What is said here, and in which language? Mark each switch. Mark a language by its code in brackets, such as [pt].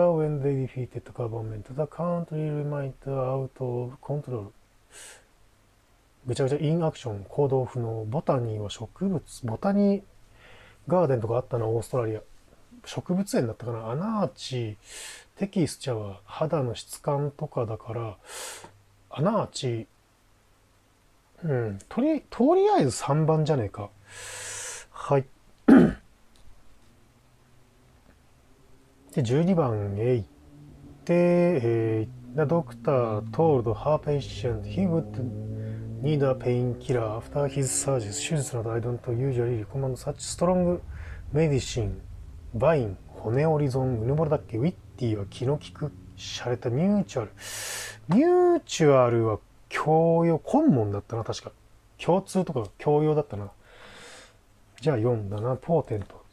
[en] When they defeated government, the country remained out of control. [ja] ぐちゃぐちゃ。インアクション。行動不能。ボタニーは植物。ボタニーガーデンとかあったな、オーストラリア。植物園だったかな。アナーチー。テキスチャは肌の質感とかだから。アナーチー。うん。とりあえず3番じゃねえか。はい。で、12番へ行って、 [en] The doctor told her patient he would need a painkiller after his surgery. [ja] 手術など [en] I don't usually recommend such strong medicine. [ja] バイン、骨折り損、うぬぼれだっけ、ウィッティは気の利く、洒落たミューチュアル。ミューチュアルは共用、コンモンだったな、確か。共通とか共用だったな。じゃあ4だな、ポーテント。